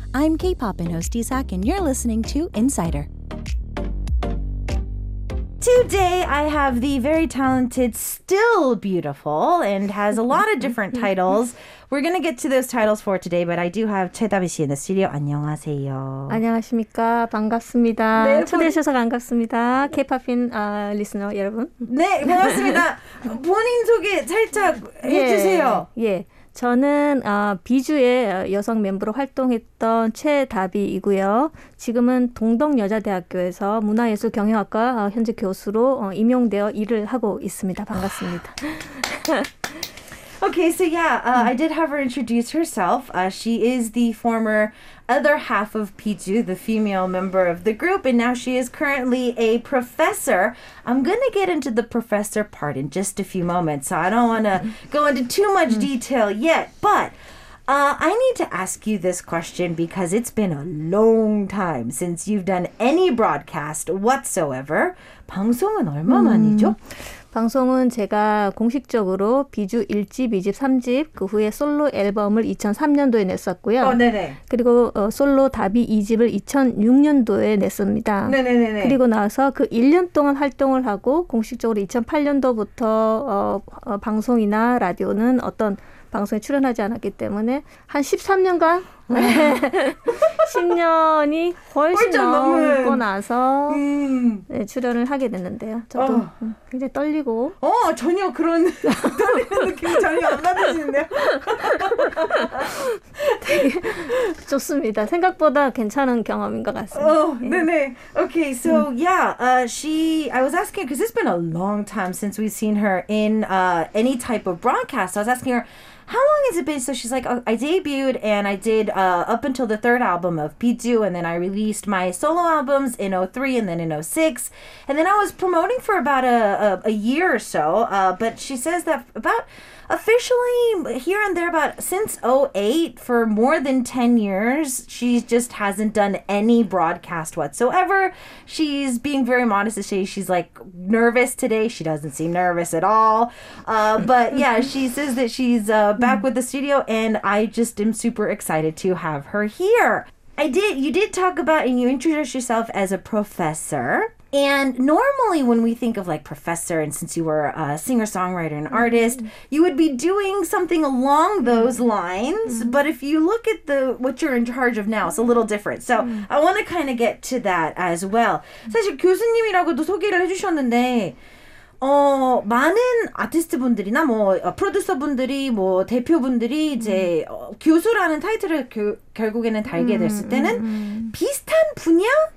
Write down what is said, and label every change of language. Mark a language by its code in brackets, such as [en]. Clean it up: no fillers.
[en] I'm K-pop and host Isak, and you're listening to Insider. Today, I have the very talented, still beautiful, and has a lot of different titles. We're going to get to those titles for today, but I do have [ko] 최다비 씨 [en] in the studio. [ko] 안녕하세요. 안녕하십니까. 반갑습니다. 네, 초대해주셔서 반갑습니다. K-pop인 리스너 여러분. 네, 반갑습니다. 본인 소개 살짝 해주세요. 예. 저는 비주의 여성 멤버로 활동했던 최다비이고요. 지금은 동덕여자대학교에서 문화예술경영학과 현재 교수로 임용되어 일을 하고 있습니다. 반갑습니다. [en] Okay, so yeah, I did have her introduce herself. She is the former other half of Piju, the female member of the group, and now she is currently a professor. I'm going to get into the professor part in just a few moments, so I don't want to go into too much detail yet, but I need to ask you this question because it's been a long time since you've done any broadcast whatsoever. [ko] 방송은 얼마 만이죠? 방송은 제가 공식적으로 비주 1집, 2집, 3집 그 후에 솔로 앨범을 2003년도에 냈었고요. 그리고 솔로 다비 2집을 2006년도에 냈습니다. 네네네네. 그리고 나서 그 1년 동안 활동을 하고 공식적으로 2008년도부터 방송이나 라디오는 어떤 방송에 출연하지 않았기 때문에 한 13년간 10년이 훨씬 넘고 나서 네, 출연을 하게 됐는데요. 저도 굉장히 떨리고 전혀 그런 떨리는 느낌이 전혀 안 받으시는데요. 되게 좋습니다. 생각보다 괜찮은 경험인 것 같습니다. 네네. [en] Okay, so I was asking, because it's been a long time since we've seen her in any type of broadcast. So I was asking her, how long has it been? So she's like, oh, I debuted and I did up until the third album of Piju, and then I released my solo albums in 03 and then in 06. And then I was promoting for about a year or so. But she says that about officially here and there, about since 08, for more than 10 years, she just hasn't done any broadcast whatsoever. She's being very modest to say she's like nervous today. She doesn't seem nervous at all. But yeah, she says that she's back with the studio, and I just am super excited to have her here. You did talk about, and you introduced yourself as a professor. And normally when we think of like professor, and since you were a singer-songwriter and artist, you would be doing something along those lines. Mm-hmm. But if you look at what you're in charge of now, it's a little different. So I want to kind of get to that as well. [ko] 사실 교수님이라고도 소개를 해주셨는데 많은 아티스트분들이나 뭐 프로듀서분들이 뭐 대표분들이 이제 교수라는 타이틀을 결국에는 달게 됐을 때는 비슷한 분야?